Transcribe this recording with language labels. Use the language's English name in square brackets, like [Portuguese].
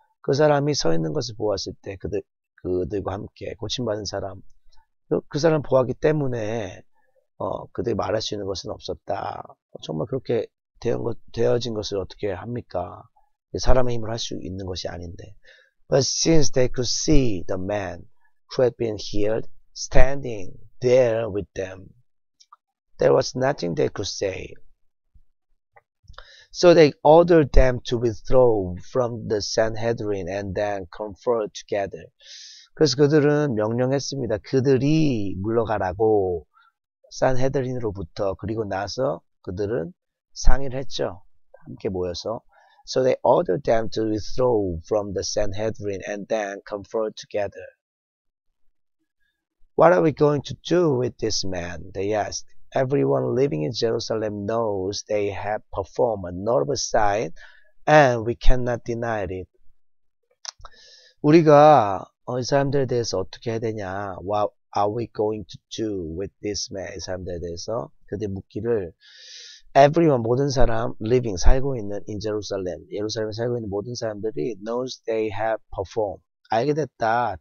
[Korean] 그 사람이 서 있는 것을 보았을 때 그들과 함께 고침 받은 사람 그 사람 보았기 때문에 그들이 말할 수 있는 것은 없었다. 정말 그렇게 되어진 것을 어떻게 합니까? 사람의 힘으로 할수 있는 것이 아닌데. [English] But since they could see the man who had been healed standing there with them, there was nothing they could say. So they ordered them to withdraw from the Sanhedrin and then confer together. [Korean] 그래서 그들은 명령했습니다. 그들이 물러가라고 산헤드린으로부터 그리고 나서 그들은 상의를 했죠. 함께 모여서. [English] So they ordered them to withdraw from the Sanhedrin and then confer together. What are we going to do with this man? They asked. Everyone living in Jerusalem knows they have performed a notable sign, and we cannot deny it. [Korean] 우리가 이 사람들에 대해서 어떻게 해야 되냐? [English] What are we going to do with this man? [Korean] 이 사람들에 대해서 그들이 묻기를. Everyone, 모든 사람, living, 살고 있는 in Jerusalem, 예루살렘에 살고 있는 모든 사람들이 [English] knows they have performed. [Korean] 알게 됐다.